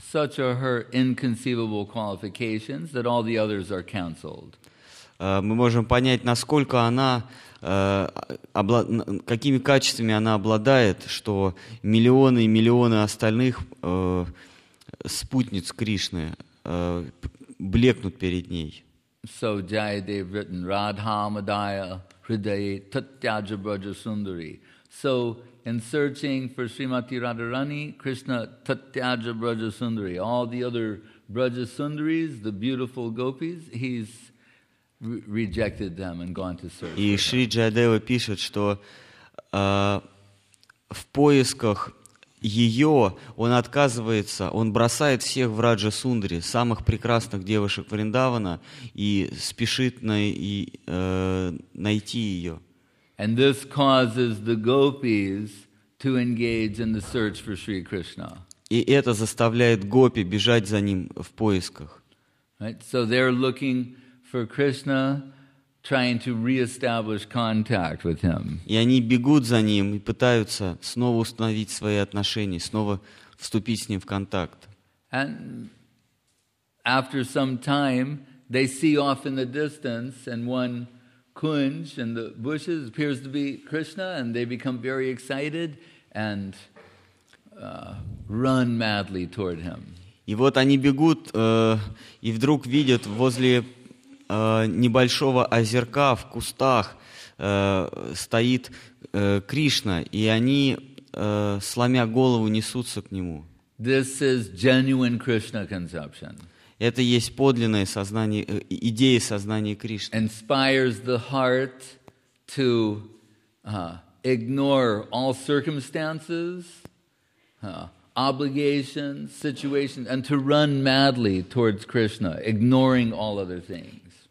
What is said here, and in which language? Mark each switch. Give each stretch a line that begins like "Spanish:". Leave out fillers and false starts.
English: Such are her inconceivable qualifications that all the others are cancelled.
Russian: Мы можем понять, насколько она какими качествами она обладает, что миллионы и миллионы остальных спутниц Кришны блекнут перед ней.
English: So Jayadev written
Sanskrit: Radha Madaya Hriday Tatyaja Braja Sundari
English: So in searching for Srimati Radharani, Krishna
Sanskrit: Tatyaja Braja Sundari,
English: all the other Braja Sundaris, the beautiful gopis, he's rejected them and gone to search.
Russian: И Шри Джаядева пишет, что в поисках ее он отказывается, он бросает всех в Раджа Сундри, самых прекрасных девушек Вриндавана, и спешит найти ее.
English: And this causes the gopis to engage in the search for Sri Krishna.
Russian: И это заставляет гопи бежать за ним в поисках.
English: Right? So they're looking for Krishna, trying to reestablish contact with him.
Russian: И они бегут за ним и пытаются снова установить свои отношения, снова вступить с ним в контакт.
English: And after some time, they see off in the distance and one kunj in the bushes appears to be Krishna, and they become very excited and run madly toward him.
Russian: И вот они бегут, и вдруг видят возле небольшого озерка в кустах стоит Кришна, и они, сломя голову, несутся к нему.
English: This is genuine Krishna conception.
Russian: Это есть подлинное сознание, идея сознания Кришны.
English: Inspires the heart to ignore all circumstances, obligations, situations, and to run madly towards Krishna, ignoring all other things.